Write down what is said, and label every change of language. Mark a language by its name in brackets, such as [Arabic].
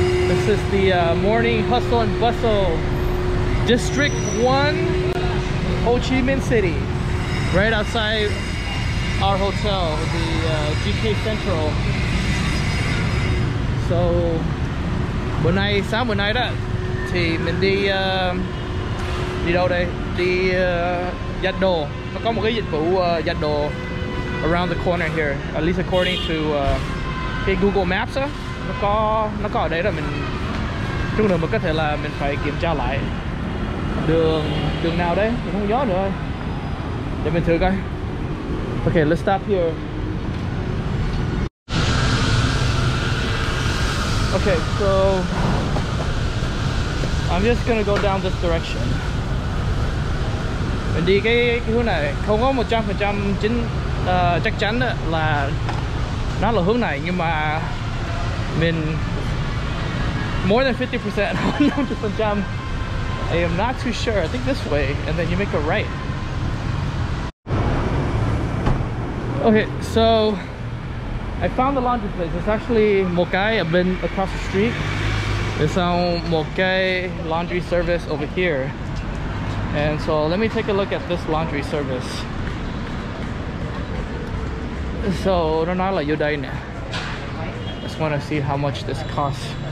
[English] This is the morning hustle and bustle, District 1, Ho Chi Minh City, right outside our hotel, the GK Central. [Vietnamese] So, bunai sam bunai da, thì mình đi đi đâu đây? Đi giặt đồ. Nó có một cái dịch vụ giặt đồ [English] around the corner here, at least according to [Vietnamese] cái Google Maps á. Nó có ở đây rồi, mình chút nữa mình có thể là mình phải kiểm tra lại đường nào đấy, mình không nhớ nữa rồi. Để mình thử coi. [English] Okay, let's stop here. Okay, so I'm just gonna go down this direction. [Vietnamese] Mình đi cái hướng này không có 100% chính chắc chắn là nó là hướng này, nhưng mà mình [English] more than 50%, I am not too sure. I think this way, and then you make a right. Okay, so I found the laundry place. It's actually [Vietnamese] một cái bên [English] across the street. It's [Vietnamese] một cái [English] laundry service over here. And so let me take a look at this laundry service. So [Vietnamese] nó nói là vô đây nè. [English] Just want to see how much this costs.